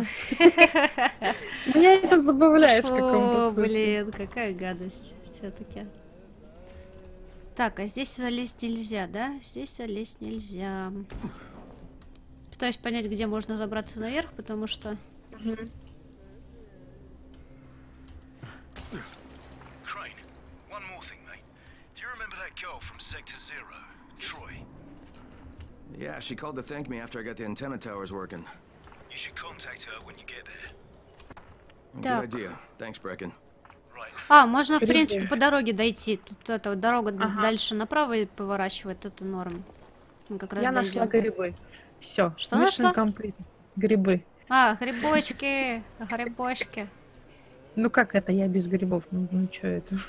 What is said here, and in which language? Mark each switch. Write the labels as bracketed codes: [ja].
[ru] Меня это забавляет в каком-то смысле. О, блин, какая гадость все-таки. Так, а здесь залезть нельзя, да? Здесь залезть нельзя. Пытаюсь понять, где можно забраться наверх, потому что... [en] Train, one more thing, mate. Do you remember that girl from Sector Zero, Troy? Yeah, she called to thank me after I got the antenna towers working. You should contact her when you get there. Good idea. Thanks, Brecken. [ru] А, можно, в принципе, по дороге дойти. Тут эта дорога дальше направо поворачивает, это норм. Мы как раз я дойдем. Нашла грибы. Все. Что нашла? Комплит. Грибы. А, грибочки, грибочки. Ну как это, я без грибов, ну что это?